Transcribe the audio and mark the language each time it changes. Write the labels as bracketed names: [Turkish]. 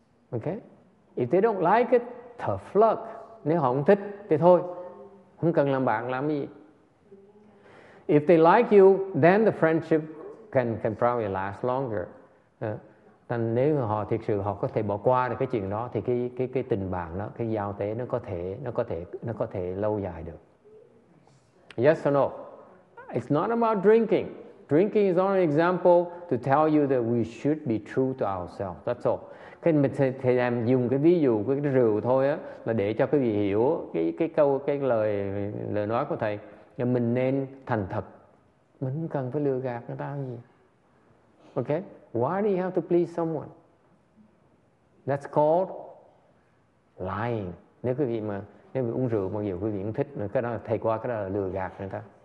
[English] Okay. If they don't like it, tough luck. [Vietnamese] Nếu họ không thích thì thôi, không cần làm bạn làm gì. [English] If they like you, then the friendship can probably last longer. [Vietnamese] Nhưng nếu họ thực sự họ có thể bỏ qua được cái chuyện đó thì cái tình bạn đó, cái giao tế nó có thể lâu dài được. [English] Yes or no? It's not about drinking. Drinking is only an example to tell you that we should be true to ourselves. That's all. [Vietnamese] Cái mình thì em dùng cái ví dụ cái rượu thôi á, là để cho quý vị hiểu cái lời nói của thầy. Nhưng mình nên thành thật, mình không cần phải lừa gạt người ta gì. [English] Okay, why do you have to please someone? That's called lying. [Vietnamese] Nếu quý vị uống rượu mặc dù quý vị không thích, cái đó thầy qua, cái đó là lừa gạt người ta.